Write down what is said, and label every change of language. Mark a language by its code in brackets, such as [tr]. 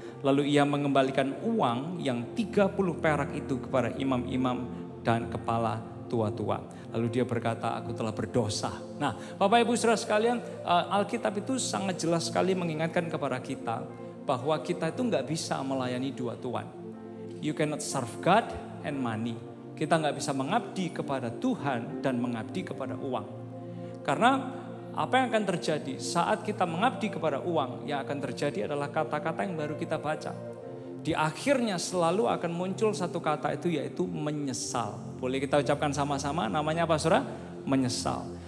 [id] Lalu ia mengembalikan uang yang 30 perak itu kepada imam-imam dan kepala tua-tua. Lalu dia berkata, aku telah berdosa. Nah, Bapak Ibu Saudara sekalian, Alkitab itu sangat jelas sekali mengingatkan kepada kita bahwa kita itu enggak bisa melayani dua tuan. [en] You cannot serve God and money. [id] Kita enggak bisa mengabdi kepada Tuhan dan mengabdi kepada uang. Karena apa yang akan terjadi saat kita mengabdi kepada uang, yang akan terjadi adalah kata-kata yang baru kita baca. Di akhirnya selalu akan muncul satu kata itu, yaitu menyesal. Boleh kita ucapkan sama-sama, namanya apa saudara? Menyesal.